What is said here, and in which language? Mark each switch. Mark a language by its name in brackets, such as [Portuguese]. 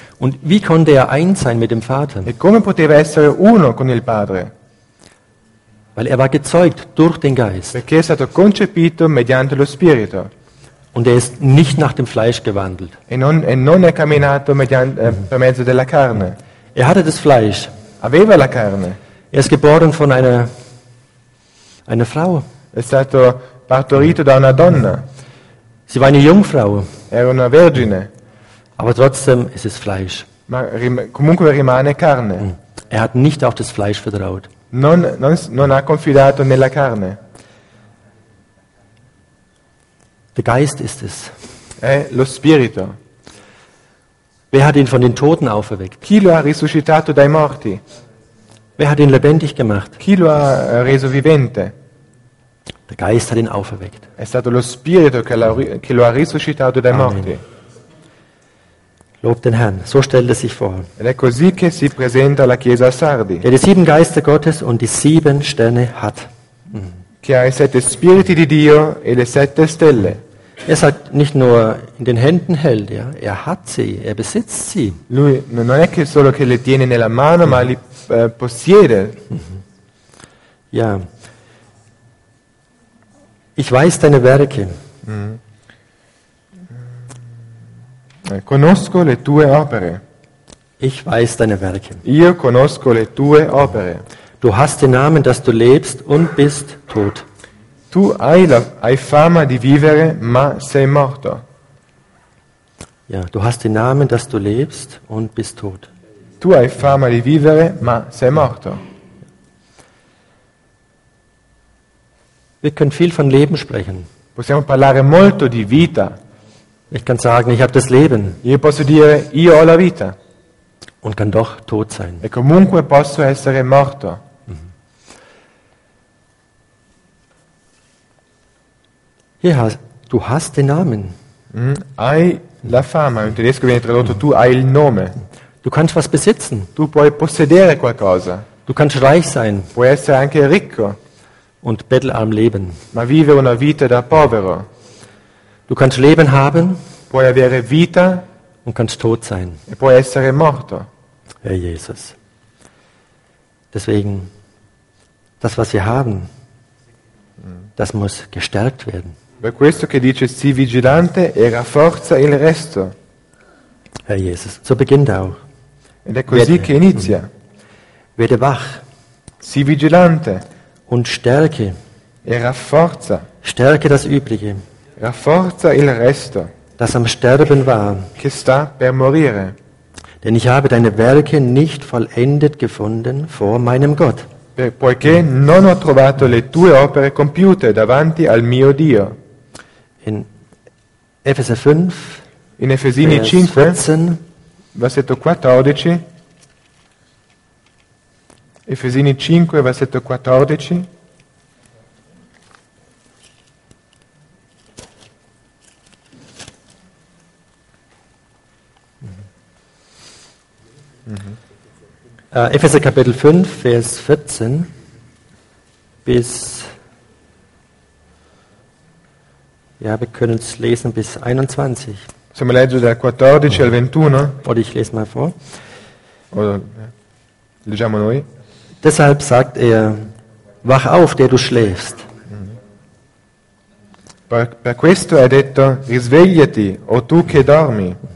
[German] Und wie konnte er eins sein mit dem Vater? [Italian] E come poteva essere uno con il Padre? [German] Weil er war gezeugt durch den Geist. [Italian] Perché è stato concepito mediante lo Spirito. [German] Und er ist nicht nach dem Fleisch gewandelt. [Italian] E non è camminato per mezzo della carne. [German] Er hatte das Fleisch. [Italian] Aveva la carne. [German] Er ist geboren von einer Frau. [Italian] È stato partorito da una donna. [German] Sie war eine Jungfrau. [Italian] Era una vergine. [German] Aber trotzdem ist es Fleisch. [Italian] Ma comunque rimane carne. [German] Er hat nicht auf das Fleisch vertraut. [Italian] Non ha confidato nella carne. [German] Der Geist ist es. [Italian] Lo spirito. [German] Wer hat ihn von den Toten auferweckt? [Italian] Chi lo ha risuscitato dai morti? [German] Wer hat ihn lebendig gemacht? [Italian] Chi lo ha reso vivente? [German] Der Geist hat ihn auferweckt. [Italian] È stato lo spirito che lo ha risuscitato dai morti. [German] Lob den Herrn. So stellt er sich vor. [Italian] Ed è così che si presenta la chiesa a Sardi. [German] Der die sieben Geister Gottes und die sieben Sterne hat. [Italian] Che ha i sette spiriti di Dio e le sette stelle. [German] Er sagt nicht nur in den Händen hält, ja, er hat sie, er besitzt sie. [Italian] Lui non è che solo che le tiene nella mano, ma li possiede. [German] Ja. Ich weiß deine Werke. [Italian] Conosco le tue opere. [German] Ich weiß deine Werke. [Italian] Io conosco le tue opere. [German] Du hast den Namen, dass du lebst und bist tot. [Italian] Tu hai fama di vivere, ma sei morto. [German] Ja, du hast den Namen, dass du lebst und bist tot. [Italian] Tu hai fama di vivere, ma sei morto. [German] Wir können viel von Leben sprechen. [Italian] Possiamo parlare molto di vita. [German] Ich kann sagen, ich habe das Leben. [Italian] Io posso dire, io ho la vita. [German] Und kann doch tot sein. [Italian] E comunque posso essere morto. [German] Ja, du hast den Namen. [Italian] Hai la fama. In tedesco viene tradotto tu hai il nome. [German] Du kannst was besitzen. [Italian] Tu puoi possedere qualcosa. [German] Du kannst reich sein. [Italian] Puoi essere anche ricco. [German] Und bettelarm leben. [Italian] Ma vive una vita da povero. [German] Du kannst Leben haben. [Italian] Puoi avere vita. [German] Und kannst tot sein. [Italian] E puoi essere morto. [German] Herr Jesus. Deswegen, das was wir haben, das muss gestärkt werden. [Italian] Per questo che dice sii vigilante e rafforza il resto. [German] Herr Jesus, so beginnt auch. [Italian] Ed è così che inizia. [German] Werde wach. [Italian] Sii vigilante. [German] Und stärke. [Italian] E rafforza. [German] Stärke das Übrige. [Italian] Rafforza il resto. [German] Das am Sterben war. [Italian] Che sta per morire. [German] Denn ich habe deine Werke nicht vollendet gefunden vor meinem Gott. [Italian] Poiché non ho trovato le tue opere compiute davanti al mio Dio. [German] In Epheser 5, [Italian] in Efesini 5, 14, versetto 14, Efesini 5, versetto 14, [German] Epheser Kapitel 5, Vers 14 bis, ja, wir können es lesen bis 21. [Italian] Siamo leggendo dal 14 al 21. [German] Oder ich lese mal vor. [Italian] Oder, leggiamo noi. [German] Deshalb sagt er, wach auf, der du schläfst. [Italian] Per questo è detto: risvegliati, o tu che dormi.